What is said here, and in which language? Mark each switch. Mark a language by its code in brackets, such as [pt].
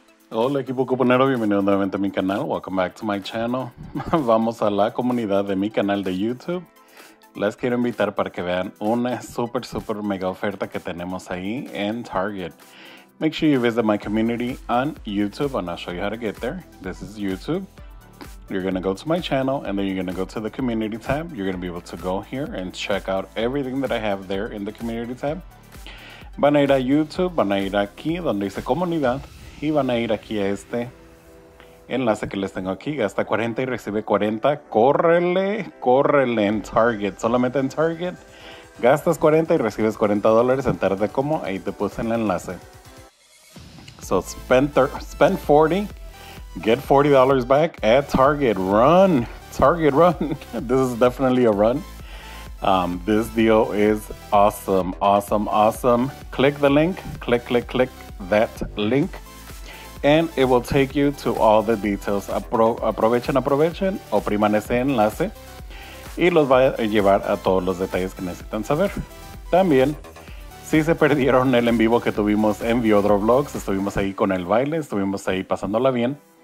[es] Hola equipo cuponero, bienvenido nuevamente a mi canal. [en] Welcome back to my channel. [es] Vamos a la comunidad de mi canal de YouTube. Les quiero invitar para que vean una super, super mega oferta que tenemos ahí en Target. [en] Make sure you visit my community on YouTube and I'll show you how to get there. This is YouTube. You're going to go to my channel and then you're going to go to the community tab. You're going to be able to go here and check out everything that I have there in the community tab. [es] Van a ir a YouTube, van a ir aquí donde dice comunidad y van a ir aquí a este enlace que les tengo aquí. Gasta 40 y recibe 40. Córrele, córrele en Target, solamente en Target. Gastas 40 y recibes $40. Entérate cómo, ahí te puse el enlace. [en] So spend 40. Get $40 back at Target. Run. Target, run. This is definitely a run. This deal is awesome. Awesome, awesome. Click the link. Click, click, click that link. And it will take you to all the details. [es] Aprovechen, aprovechen. Opriman ese enlace. Y los va a llevar a todos los detalles que necesitan saber. También, si se perdieron el en vivo que tuvimos en Viodro Vlogs, estuvimos ahí con el baile, estuvimos ahí pasándola bien.